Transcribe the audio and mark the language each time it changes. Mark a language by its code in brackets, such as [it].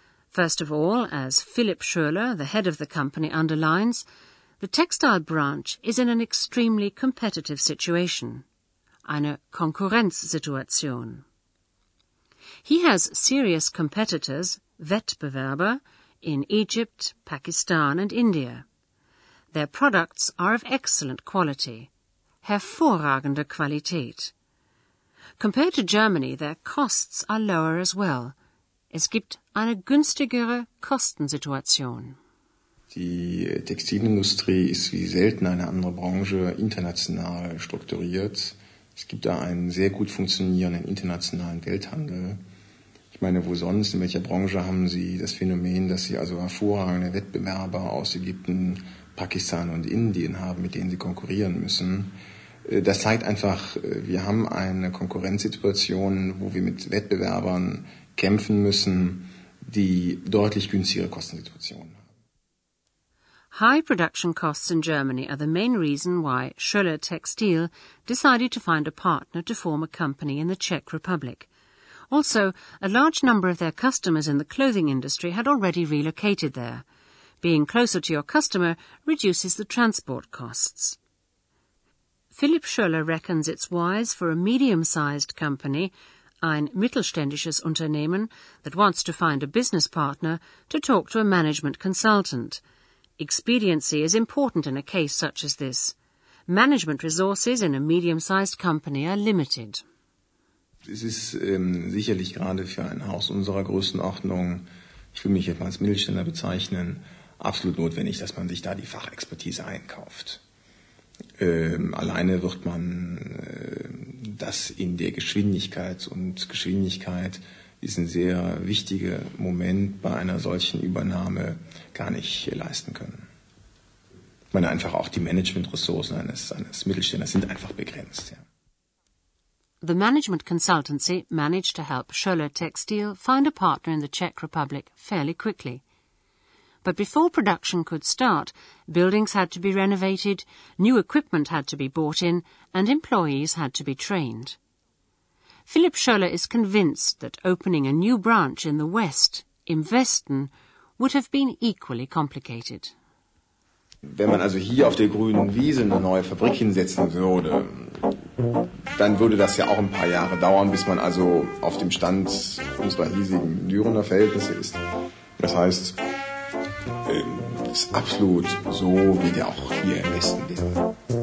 [en] First of all, as Philipp Schöller, the head of the company, underlines, the textile branch is in an extremely competitive situation. [de] Eine Konkurrenzsituation. [en] He has serious competitors, Wettbewerber, in Egypt, Pakistan and India. Their products are of excellent quality. [de] Hervorragende Qualität. [en] Compared to Germany, their costs are lower as well. [de] Es gibt eine günstigere Kostensituation. Die Textilindustrie ist wie selten eine andere Branche international strukturiert. Es gibt da einen sehr gut funktionierenden internationalen Welthandel. Ich meine, wo sonst, in welcher Branche haben Sie das Phänomen, dass Sie also hervorragende Wettbewerber aus Ägypten, Pakistan und Indien haben, mit denen Sie konkurrieren müssen? Das zeigt einfach, wir haben eine Konkurrenzsituation, wo wir mit Wettbewerbern kämpfen müssen, die deutlich günstigere Kostensituationen haben. [en] High production costs in Germany are the main reason why Schöller Textil decided to find a partner to form a company in the Czech Republic. Also, a large number of their customers in the clothing industry had already relocated there. Being closer to your customer reduces the transport costs. Philipp Schöller reckons it's wise for a medium-sized company, [de] ein mittelständisches Unternehmen, [en] that wants to find a business partner, to talk to a management consultant. Expediency is important in a case such as this. Management resources in a medium-sized company are limited. [de] Es ist sicherlich gerade für ein Haus unserer Größenordnung, ich will mich jetzt mal als Mittelständler bezeichnen, absolut notwendig, dass man sich da die Fachexpertise einkauft. Alleine wird man das in der Geschwindigkeit, und Geschwindigkeit ist ein sehr wichtiger Moment bei einer solchen Übernahme, gar nicht leisten können. Ich meine, einfach auch die Managementressourcen eines Mittelständlers sind einfach begrenzt, ja. [en] The management consultancy managed to help Schöller Textil find a partner in the Czech Republic fairly quickly. But before production could start, buildings had to be renovated, new equipment had to be bought in, and employees had to be trained. Philipp Schöller is convinced that opening a new branch in the West, [de] im Westen, [en] would have been equally complicated. [de] Wenn man also hier auf der grünen Wiese eine neue Fabrik hinsetzen würde, dann würde das ja auch ein paar Jahre dauern, bis man also auf dem Stand unserer hiesigen Dürener Verhältnisse ist. Das heißt, es ist absolut so, wie der auch hier im Westen wäre.